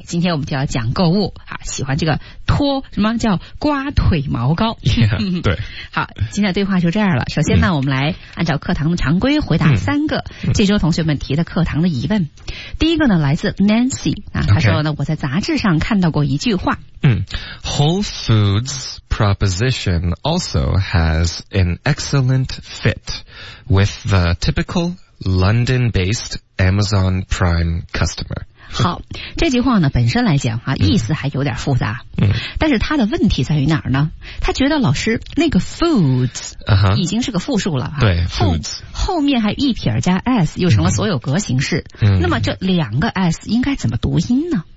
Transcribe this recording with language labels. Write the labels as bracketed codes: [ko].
[zh] 今天我们就要讲购物啊，喜欢这个脱什么叫刮腿毛膏？ Yeah, 对。好，今天的对话就这样了。首先呢，我们来按照课堂的常规回答三个这周同学们提的课堂的疑问。第一个呢，来自 Nancy 啊，他说呢， [en] okay. [zh] 我在杂志上看到过一句话。 [en] Whole Foods proposition also has an excellent fit with the typical London-based Amazon Prime customer. [zh] 好，这句话呢本身来讲啊，意思还有点复杂。嗯，但是他的问题在于哪儿呢？他觉得老师那个 foods 已经是个复数了、对 ，foods 后面还一撇加 s 又成了所有格形式。嗯，那么这两个 s 应该怎么读音呢？